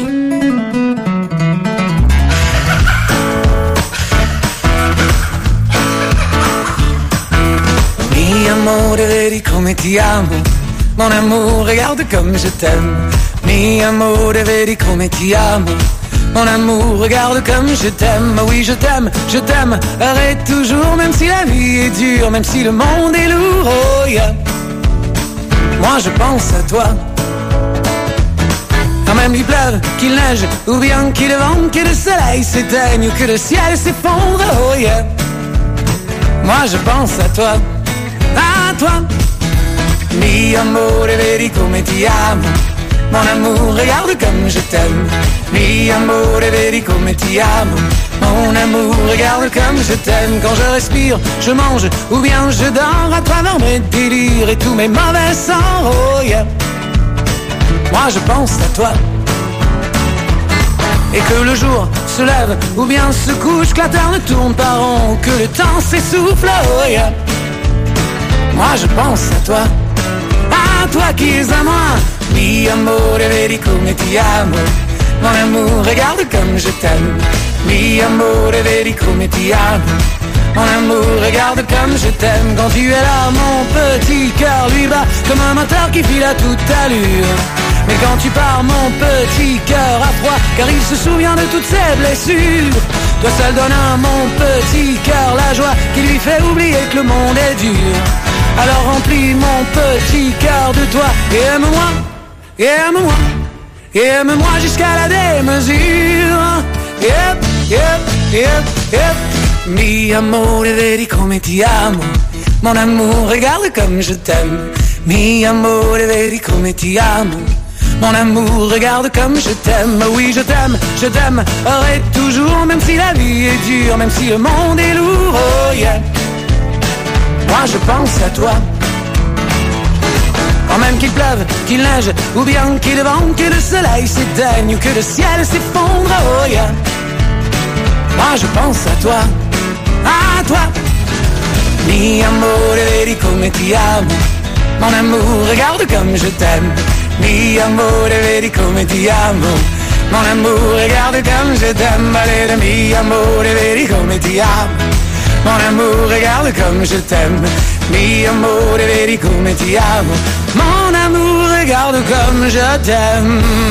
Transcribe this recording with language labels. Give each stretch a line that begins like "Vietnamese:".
Italian: Mi amore, vedi come ti amo.
French: Mon amour, regarde comme je t'aime.
Italian: Mi amore, vedi come ti amo.
French: Mon amour, regarde comme je t'aime. Oui, je t'aime, arrête toujours. Même si la vie est dure, même si le monde est lourd. Oh yeah, moi je pense à toi. Quand même il pleuve, qu'il neige, ou bien qu'il vente, que le soleil s'éteigne ou que le ciel s'effondre. Oh yeah, moi je pense à toi. À toi.
Italian: Mi amore, vedi come ti amo.
French: Mon amour, regarde comme je t'aime.
Italian: Mi amore, vedi come ti amo.
French: Mon amour, regarde comme je t'aime. Quand je respire, je mange, ou bien je dors, à travers mes délires et tous mes mauvais sens. Oh yeah, moi je pense à toi. Et que le jour se lève, ou bien se couche, que la terre ne tourne pas rond, que le temps s'essouffle. Oh yeah, moi je pense à toi. À toi qui es à moi.
Italian: Mi amore, vedi come ti amo.
French: Mon amour, regarde comme je t'aime.
Italian: Mi amore, vedi come ti amo.
French: Mon amour, regarde comme je t'aime. Quand tu es là, mon petit cœur lui bat comme un moteur qui file à toute allure. Mais quand tu pars, mon petit cœur a froid, car il se souvient de toutes ses blessures. Toi seul donne à mon petit cœur la joie qui lui fait oublier que le monde est dur. Alors remplis mon petit cœur de toi et aime-moi. Et aime-moi, et aime-moi jusqu'à la démesure. Yep, yep, yep, yep.
Italian: Mi amore, vedi come ti amo.
French: Mon amour, regarde comme je t'aime.
Italian: Mi amore, vedi come ti amo.
French: Mon amour, regarde comme je t'aime. Oui, je t'aime, arrête toujours. Même si la vie est dure, même si le monde est lourd. Oh yeah, moi je pense à toi. Quand même qu'il pleuve, qu'il neige, ou bien qu'il vente, que le soleil s'éteigne ou que le ciel s'effondre. Oh yeah, moi je pense à toi. À toi.
Italian: Mi amore, vedi come ti amo.
French: Mon amour, regarde comme je t'aime.
Italian: Mi amore, vedi come ti amo.
French: Mon amour, regarde comme je t'aime.
Italian: Allez, mi amore, vedi come ti amo.
French: Mon amour, regarde comme je t'aime.
Italian: Mi amore, vedi come ti amo.
French: Mon amour, regarde comme je t'aime.